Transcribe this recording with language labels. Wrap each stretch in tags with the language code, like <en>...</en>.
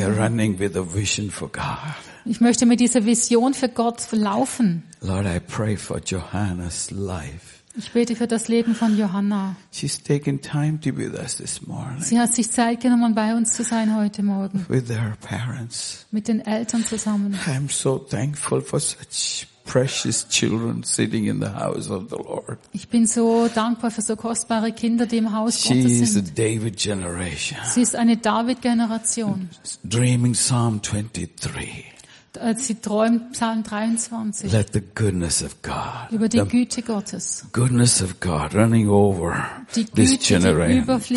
<en>They're running with a vision for God.</en> <de>Ich möchte mit dieser Vision für Gott laufen.</de> <en>Lord, I pray for Johanna's life.</en> <de>Ich bete für das Leben von Johanna.</de> <en>She's taken time to be with us this morning.</en> <de>Sie hat sich Zeit genommen, bei uns zu sein heute Morgen.</de> <en>With her parents.</en> <de>Mit den Eltern zusammen.</de> <en>I'm so thankful for such precious children sitting in the house of the Lord.</en> <de>Ich bin so dankbar für so kostbare Kinder, die im Haus Gottes sind.</de> <en>She is a David generation.</en> <de>Sie ist eine David-Generation.</de> <en>Dreaming Psalm 23.</en> <de>Sie träumt Psalm 23.</de> <en>Let the goodness of God,</en> <de>über die Güte Gottes.</de> <en>Goodness of God running over this generation,</en>